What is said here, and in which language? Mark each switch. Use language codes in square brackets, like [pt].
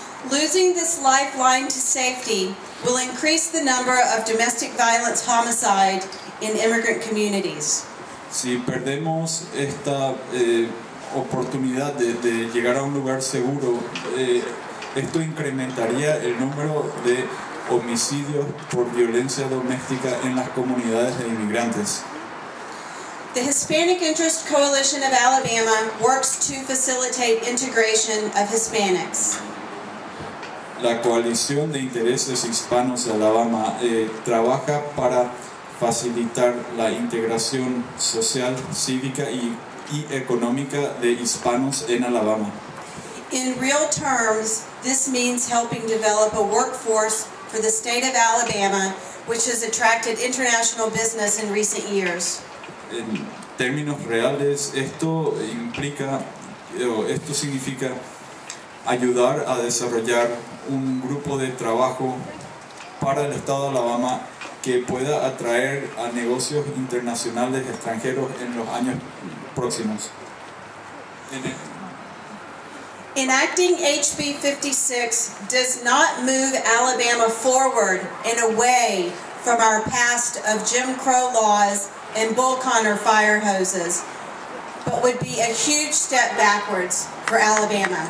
[en] Losing this lifeline to safety will increase the number of domestic violence homicide in immigrant communities. [es] Si perdemos esta oportunidad de llegar a un lugar seguro, esto incrementaría el número de homicidios por violencia doméstica en las comunidades de inmigrantes. [en] The Hispanic Interest Coalition of Alabama works to facilitate integration of Hispanics. [es] La Coalición de Intereses Hispanos de Alabama trabaja para facilitar la integración social, cívica y económica de hispanos en Alabama. [en] In real terms, this means helping develop a workforce for the state of Alabama, which has attracted international business in recent years. [es] En términos reales, esto implica, esto significa ayudar a desarrollar un grupo de trabajo para el estado de Alabama que pueda atraer a negocios internacionales extranjeros en los años próximos. [en] Enacting HB 56 does not move Alabama forward and away from our past of Jim Crow laws and Bull Connor fire hoses, but would be a huge step backwards for Alabama.